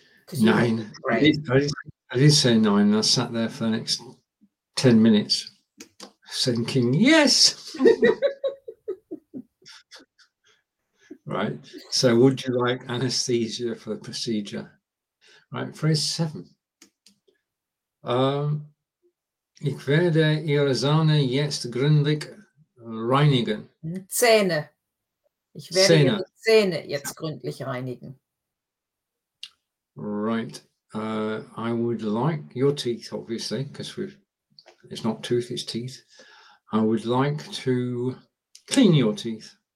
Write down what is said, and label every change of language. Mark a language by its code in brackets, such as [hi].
[en] I did say nine, and I sat there for the next 10 minutes thinking, yes. Right. So would you like anesthesia for the procedure? Right. Phrase seven. [de] Ich werde Ihre Zähne jetzt gründlich reinigen. Zähne. Ich werde Zähne. Ihre Zähne jetzt gründlich reinigen. [en] Right. I would like your teeth, obviously, because it's not tooth, it's teeth. I would like to clean your teeth.